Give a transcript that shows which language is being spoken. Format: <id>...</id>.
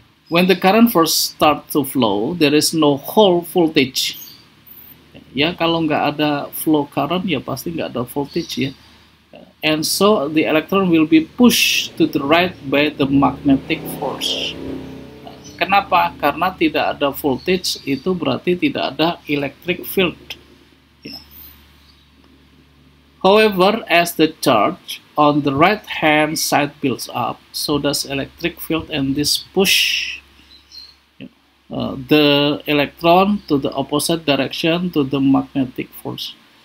<en>When the current force start to flow, there is no whole voltage.</en> <id>Ya, kalau nggak ada flow current, ya pasti nggak ada voltage ya.</id> <en>And so the electron will be pushed to the right by the magnetic force.</en> <id>Kenapa? Karena tidak ada voltage, itu berarti tidak ada electric field.</id> <en>However, as the charge on the right-hand side builds up, so does electric field, and this push the electron to the opposite direction to the magnetic force.</en>